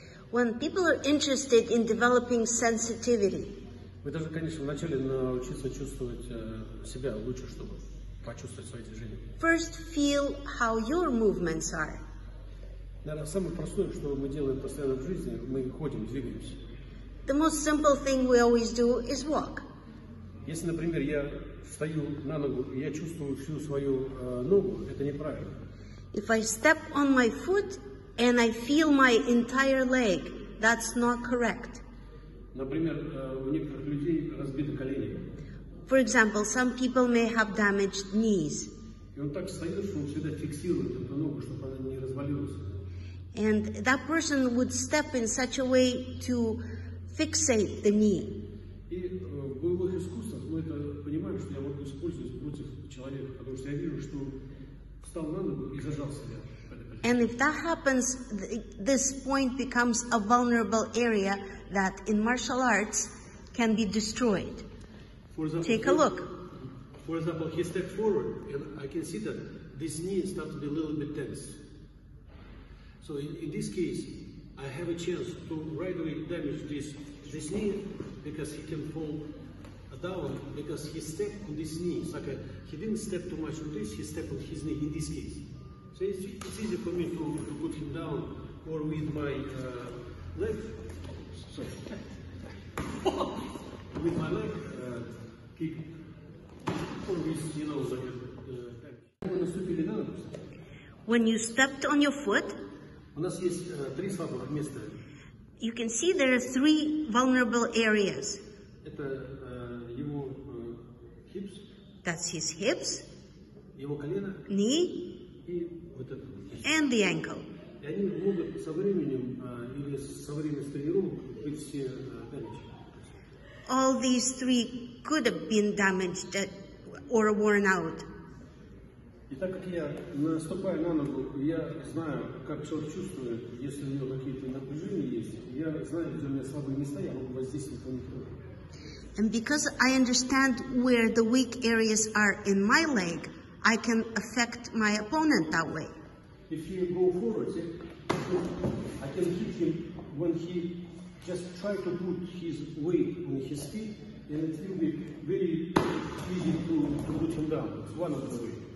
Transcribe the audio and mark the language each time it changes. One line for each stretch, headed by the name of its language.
English: when people are interested in developing sensitivity,
Russian: вы должны, конечно, вначале научиться чувствовать себя лучше, чтобы почувствовать свои движения.
English: First, feel how your movements are.
Russian: Наверное, самое простое, что мы делаем постоянно в жизни, мы ходим, двигаемся.
English: The most simple thing we always do is walk.
Russian: Если, например, я встаю на ногу и я чувствую всю свою ногу, это неправильно.
English: If I step on my foot and I feel my entire leg, that's not correct.
Russian: Например, у некоторых людей разбиты колени.
English: For example, some people may have damaged knees.
Russian: И он так встает, что он всегда фиксирует эту ногу, чтобы она не развалилась.
English: And that person would step in such a way to fixate the knee.
Russian: И в боевых искусствах мы это понимаем, что я могу использовать против человека, потому что я вижу, что встал на ногу и зажал себя.
English: And if that happens, this point becomes a vulnerable area that in martial arts can be destroyed. For example, take a look. For example, he stepped forward and I can see that this knee starts to be a little bit tense. So in this case, I have a chance to right away damage this knee because he can fall down because he stepped on this knee. It's like he didn't step too much on this, he stepped on his knee in this case. So it's easy for me to put him down or with my leg. Sorry. With my leg, kick on this, you know, like a tank. When you stepped on your foot,
Russian: у нас есть три слабых места.
English: You can see there are three vulnerable areas.
Russian: Это его hips.
English: That's his hips.
Russian: Его колено.
English: Knee.
Russian: И вот это.
English: And the ankle.
Russian: И они могут со временем или со временем тренировок быть все
English: damaged. All these three could have been damaged or worn out.
Russian: И так как я наступаю на ногу, я знаю, как человек чувствует, если у него какие-то напряжения есть, я знаю, где у меня слабые места, я могу воздействовать на них.
English: And because I understand where the weak areas are in my leg, I can affect my opponent that way. If he go forward, I can hit him when he just try to put his weight on his feet, and it will be very easy to put him down. It's one of the ways.